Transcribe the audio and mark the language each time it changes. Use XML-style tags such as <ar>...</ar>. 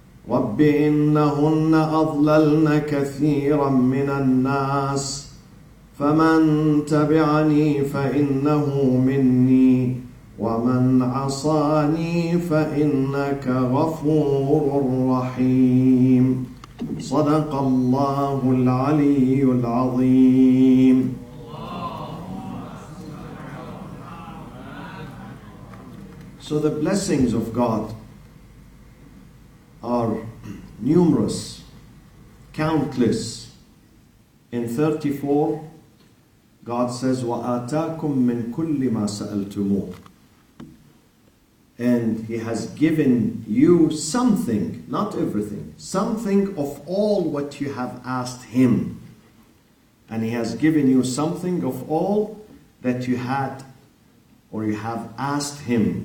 <ar>رب إنهن أضللن كثيرا من الناس فمن تبعني فإنه مني ومن عصاني فإنك غفور رحيم صدق الله العلي العظيم.</ar> <en>So the blessings of God are numerous, countless. In 34, God says,</en> <ar>وَآتَاكُم مِّن كُلِّ مَا سَأَلْتُمُوهُ.</ar> <en>And he has given you something, not everything, something of all what you have asked him. And he has given you something of all that you had or you have asked him.</en>